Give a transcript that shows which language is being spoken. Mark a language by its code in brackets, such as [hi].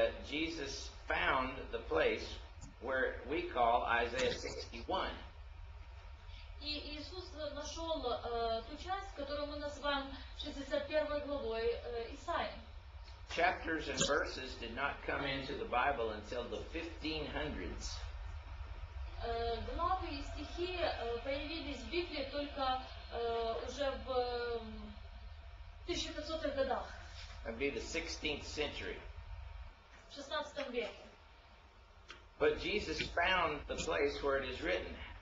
[en] Jesus found the place where we call Isaiah 61. [ru] И Иисус нашел ту часть, которую мы называем 61 главой Исаии. [en] Chapters and verses did not come into the Bible until the 1500s. [ru] Главы и стихи появились в Библии только уже в 1500-х годах. [en] That'd be the 16th century. [ru] В 16 веке. [en] But Jesus found the place where it is written.